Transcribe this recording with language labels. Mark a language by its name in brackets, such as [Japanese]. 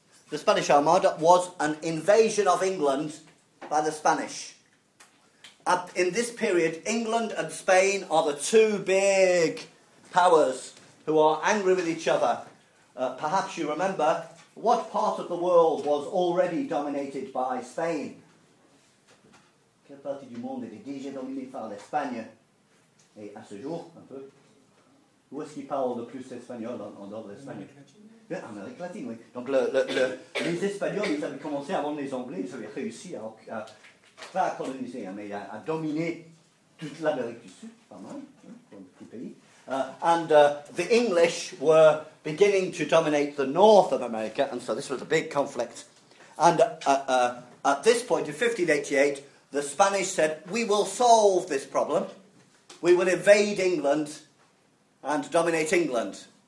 [English] The Spanish Armada was an invasion of England by the Spanish. Up in this period, England and Spain are the two big powers who are angry with each other. Perhaps you remember, what part of the world was already dominated by Spain? [French] Quelle partie du monde était déjà dominée par l'Espagne? Et à ce jour, un peu, où est-ce qu'il parle le plus espagnol en dehors de l'Espagne? Amérique latine, oui. Donc les Espagnols, ils avaient commencé avant les Anglais, ils avaient réussi à pas à coloniser, mais à dominer toute l'Amérique du Sud, pas mal, pour un petit pays. [English] The English were beginning to dominate the north of America, and so this was a big conflict. And at this point, in 1588, the Spanish said, we will solve this problem. We will invade England and dominate England.